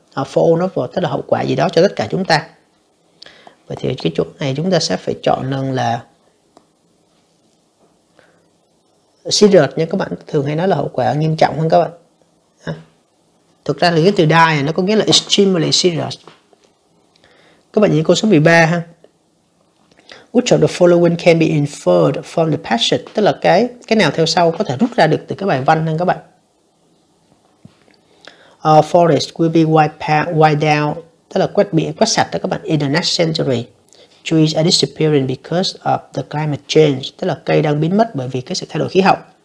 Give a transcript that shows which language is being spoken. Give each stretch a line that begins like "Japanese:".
Vietnamese: Fall nó vào tức là hậu quả gì đó cho tất cả chúng ta. Vậy thì cái chỗ này chúng ta sẽ phải chọn là serious nha các bạn, thường hay nói là hậu quả nghiêm trọng hơn các bạn. Ha. Thực ra thì cái từ dire nó có nghĩa là
English: extremely serious.
Vietnamese: Các bạn nhìn câu số 13 ha.
English: Which of the following can be inferred from the passage?
Vietnamese: Tức là cái nào theo sau có thể rút ra được từ cái bài văn không các bạn?
English: Forest will be wiped out,
Vietnamese: tức là quét biển, quét sạch đó các bạn,
English: in the next century. Trees are disappearing because of the climate change,
Vietnamese: tức là cây đang biến mất bởi vì cái sự thay đổi khí hậu.